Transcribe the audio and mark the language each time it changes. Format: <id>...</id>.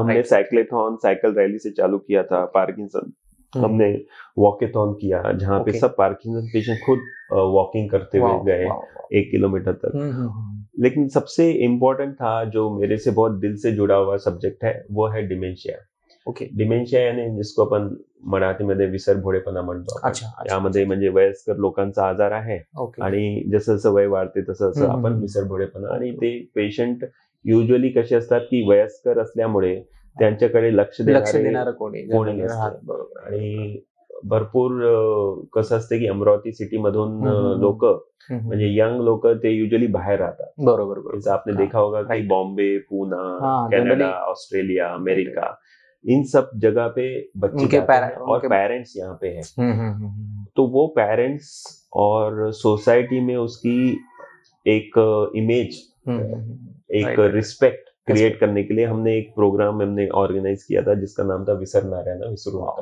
<hi>हमने साइक्लेथॉन cycle rally से चालू किया था, पार्किंसन हमने वॉकेथॉन किया जहाँ पे सब पार्किंसन पेशेंट खुद वॉकिंग करते हुए गए 1 किलोमीटर तक। लेकिन सबसे इम्पोर्टेंट था जो मेरे से बहुत दिल से जुड़ा हुआ सब्जेक्ट है वो है डिमेंशिया।</hi> <mr>डिमेंशिया यानी जिसको अपन मराठी मध्ये विसर भोड़ेपणा म्हणतो, यामध्ये म्हणजे वयस्कर लोकांचा आजार आहे आणि जसं जसं वय वाढते तसं तसं आपण विसर भोड़ेपणा, आणि ते पेशंट युजुअली कसे असतात की वयस्कर असल्यामुळे त्यांच्याकडे लक्ष देणार कोणी नसते। आणि भरपूर कसं असते की अमरावती सिटी मधून लोक म्हणजे यंग लोक ते युजली बाहेर राहतात। बरोबर</mr> <hi>बरोबर, आपने देखा होगा की Bombay Pune Canada Australia America in सब जगह पे बच्चे के और पेरेंट्स यहाँ पे है। तो वो पेरेंट्स और सोसाइटी में उसकी एक इमेज एक रिस्पेक्ट क्रिएट करने के लिए हमने एक प्रोग्राम हमने ऑर्गेनाइज किया था जिसका नाम था विसर नारायण विसरू।</hi>